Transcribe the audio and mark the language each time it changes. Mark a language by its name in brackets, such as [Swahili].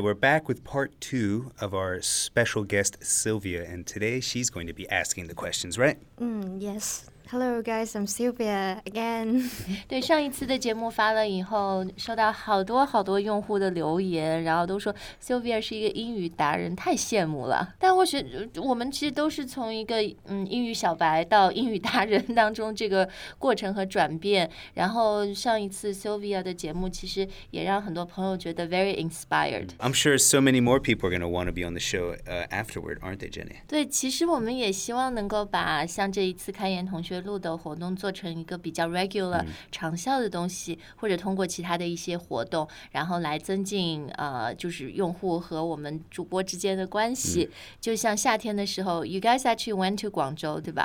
[English] We're back with part two of our special guest Sylvia, and today she's going to be asking the questions, right? Yes. Hello guys, I'm Sylvia again. [Chinese] 对，上一次的节目发了以后，收到好多好多用户的留言，然后都说 Sylvia 是一个英语达人，太羡慕了。但我们其实都是从一个英语小白到英语达人当中这个过程和转变，然后上一次 Sylvia 的节目其实也让很多朋友觉得 [English] very inspired. I'm sure so many more people are going to want to be on the show afterward, aren't they, Jenny? [Chinese] 对，其实我们也希望能够把像这一次开言同学录的活动做成一个比较 regular 长效的东西，或者通过其他的一些活动，然后来增进就是用户和我们主播之间的关系。就像夏天的时候 ， [English] You guys actually went to [Chinese] 广州，对吧？